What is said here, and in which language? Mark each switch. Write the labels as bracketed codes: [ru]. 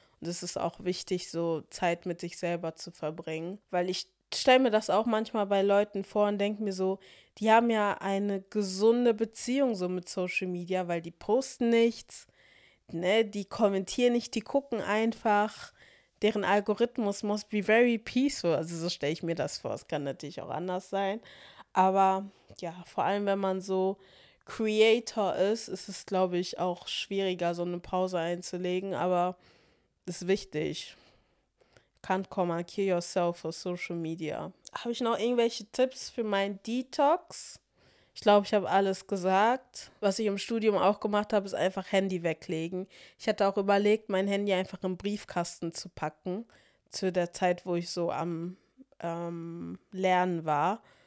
[de] Und es ist auch wichtig, so Zeit mit sich selber zu verbringen. Weil ich stelle mir das auch manchmal bei Leuten vor und denke mir so, die haben ja eine gesunde Beziehung so mit Social Media, weil die posten nichts, ne, die kommentieren nicht, die gucken einfach. Deren Algorithmus [en] must be very peaceful. [de] Also so stelle ich mir das vor. Es kann natürlich auch anders sein. Aber ja, vor allem wenn man so Creator ist, ist es, glaube ich, auch schwieriger, so eine Pause einzulegen. Aber ist wichtig. [en] Can't come and kill yourself for social media. [de] Habe ich noch irgendwelche Tipps für meinen Detox? Ich glaube, ich habe alles gesagt. Was ich im Studium auch gemacht habe, ist einfach Handy weglegen. Ich hatte auch überlegt, mein Handy einfach im Briefkasten zu packen, zu der Zeit, wo ich so am Lernen war.